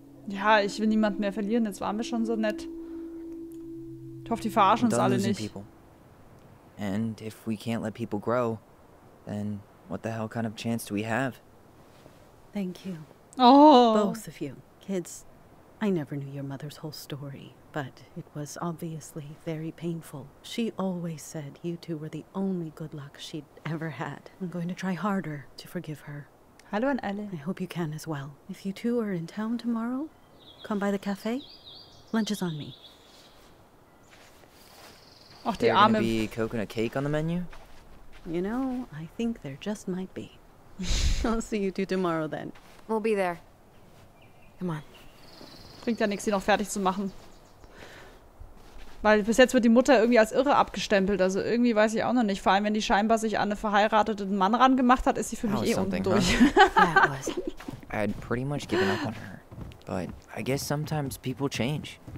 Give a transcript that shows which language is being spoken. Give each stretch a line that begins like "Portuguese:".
German: Ja, ich will niemanden mehr verlieren, jetzt waren wir schon so nett. Ich hoffe, die verarschen uns alle nicht. People.
English: And if we can't let people grow, then what the hell kind of chance do we have? Thank you. Oh. Both of you. Kids, I never knew your mother's whole story, but it was obviously very painful. She always said you two were the only good luck she'd ever had. I'm going to try harder to forgive her.
German: Hallo an alle.
English: I hope you can as well. If you two are in town tomorrow, come by the cafe. Lunch is on me.
German: Ach, die Arme.
English: There gonna be coconut cake on the menu? You know, I think there just might be. I'll see you two tomorrow then. We'll be there. Come on.
German: Bringt ja nichts, sie noch fertig zu machen. Weil bis jetzt wird die Mutter irgendwie als irre abgestempelt. Also irgendwie weiß ich auch noch nicht. Vor allem, wenn die scheinbar sich an einen verheirateten Mann rangemacht hat, ist sie für mich eh unten durch.
English: I had pretty much given up on her. But I guess sometimes people change.